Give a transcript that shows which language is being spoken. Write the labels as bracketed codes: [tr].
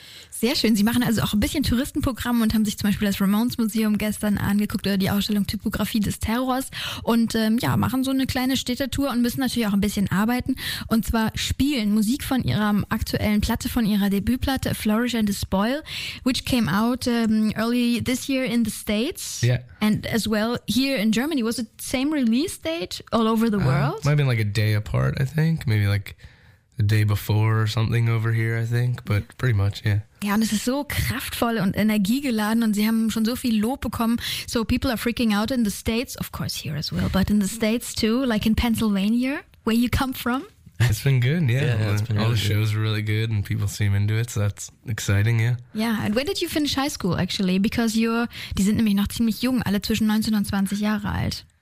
[de] Sehr schön. Sie machen also auch ein bisschen Touristenprogramm und haben sich zum Beispiel das Ramones Museum gestern angeguckt oder die Ausstellung Typografie des Terrors und machen so eine kleine Städtetour und müssen natürlich auch ein bisschen arbeiten und zwar spielen Musik von ihrer aktuellen Platte, von ihrer Debütplatte A Flourish and a Spoil, [en] which came out early this year in the States and as well here in Germany. Was it the same release date all over the world? Might have been like a day apart, I think. Maybe like the day before or something over here, I think, but pretty much, yeah. [de] Ja, und es ist so kraftvoll und energiegeladen und sie haben schon so viel Lob bekommen. [en] So people are freaking out in the States, of course here as well, but in the States too, like in Pennsylvania, where you come from. It's been good, yeah. All the shows are really good and people seem into it, so that's exciting, yeah. Yeah, and when did you finish high school actually? [de] Because die sind nämlich noch ziemlich jung, alle zwischen 19 und 20 Jahre alt.